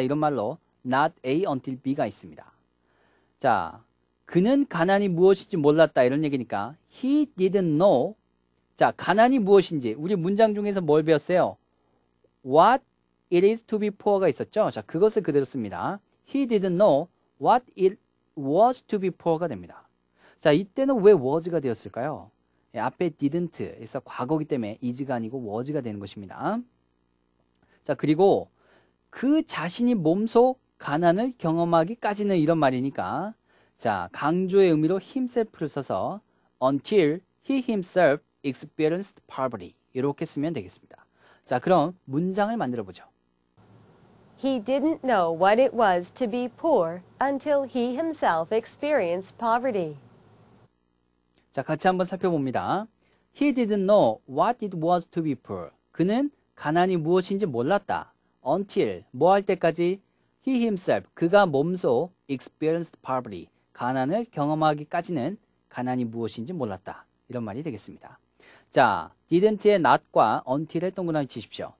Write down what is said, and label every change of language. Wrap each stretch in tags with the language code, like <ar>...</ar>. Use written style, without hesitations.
<ko>이런 말로 not A until B가 있습니다. 자, 그는 가난이 무엇인지 몰랐다. 이런 얘기니까</ko> <en>He didn't know.</en> <ko>자, 가난이 무엇인지. 우리 문장 중에서 뭘 배웠어요?</ko> <en>What it is to be poor가 있었죠.</en> <ko>자, 그것을 그대로 씁니다.</ko> <en>He didn't know what it was to be poor가 됩니다.</en> <ko>자, 이때는 왜 was가 되었을까요? 예, 앞에 didn't에서 과거기 때문에 is가 아니고 was가 되는 것입니다. 자, 그리고 그 자신이 몸소 가난을 경험하기까지는 이런 말이니까 자, 강조의 의미로 himself를 써서</ko> <en>until he himself experienced poverty</en> <ko>이렇게 쓰면 되겠습니다. 자, 그럼 문장을 만들어 보죠.</ko> <en>He didn't know what it was to be poor until he himself experienced poverty.</en> <ko>자, 같이 한번 살펴봅니다.</ko> <en>He didn't know what it was to be poor.</en> <ko>그는 가난이 무엇인지 몰랐다.</ko> <en>Until,</en> <ko>뭐 할 때까지?</ko> <en>He himself,</en> <ko>그가 몸소</ko> <en>experienced poverty.</en> <ko>가난을 경험하기까지는 가난이 무엇인지 몰랐다. 이런 말이 되겠습니다. 자, didn't의 not과 until의 동그라미 치십시오.</ko>